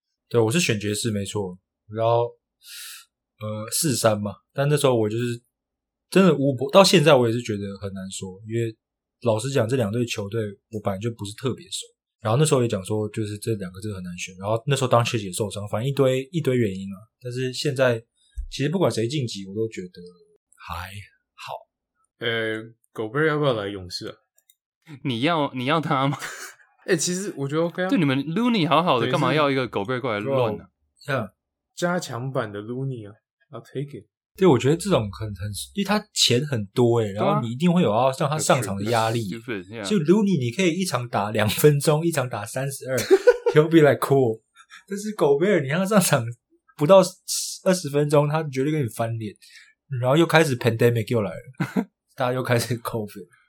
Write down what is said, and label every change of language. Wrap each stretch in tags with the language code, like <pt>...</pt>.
<zh>对，我是选爵士没错，然后。4-3 嘛，但那时候我就是真的无波，到现在我也是觉得很难说，因为老实讲这两队球队我本来就不是特别熟，然后那时候也讲说就是这两个真的很难选，然后那时候当确实也受伤，反正一堆原因啊，但是现在其实不管谁晋级我都觉得还好。狗贝要不要来勇士啊？你要他吗？其实我觉得 OK 啊，对，你们 Looney 好好的干嘛要一个狗贝过来乱啊？加强版的 Looney 啊，</zh> <en>I'll take it。</en> <zh>对，我觉得这种很因为他钱很多耶、欸、然后你一定会有要让他上场的压力、</zh> <en>yeah.</en> <zh>就 Looney 你可以一场打两分钟一场打32</zh> <en>he'll be like cool，</en> <zh>但是 Gobert 你让他上场不到20分钟他绝对跟你翻脸，然后又开始 pandemic 又来了大家又开始 COVID，</zh>